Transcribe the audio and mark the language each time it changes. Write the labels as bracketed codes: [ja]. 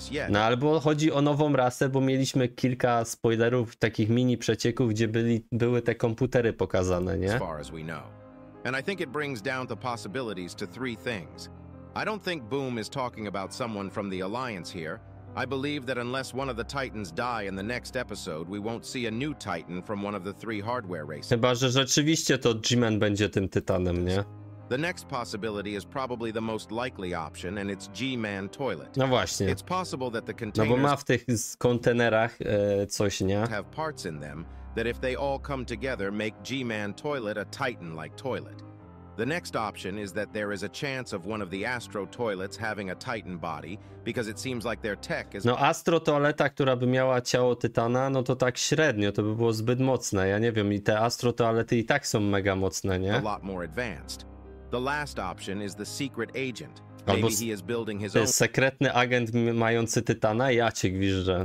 [pl] No albo chodzi o nową rasę, bo mieliśmy kilka spoilerów, takich mini przecieków, gdzie były te komputery pokazane, nie? [en] And I think it brings down the possibilities to three things. I don't think Boom is talking about someone from the Alliance here. I believe that unless one of the Titans die in the next episode, we won't see a new Titan from one of the three hardware races. [pl] Chyba, że rzeczywiście to G-Man będzie tym Tytanem, nie? [en] The next possibility is probably the most likely option, and it's G-Man Toilet. [pl] No właśnie. [en] It's possible that the containers... [pl] No bo ma w tych kontenerach coś, nie? [en] ...have parts in them. That if they all come together, make G-Man Toilet a Titan-like toilet. The next option is that there is a chance of one of the Astro Toilets having a Titan body, because it seems like their tech is... [pl] No Astro Toaleta, która by miała ciało Tytana, no to tak średnio, to by było zbyt mocne, ja nie wiem, i te Astro Toalety i tak są mega mocne, nie? [en] A lot more advanced. The last option is the secret agent. [pl] Albo sekretny agent mający Tytana, ja cię gwiżdżę.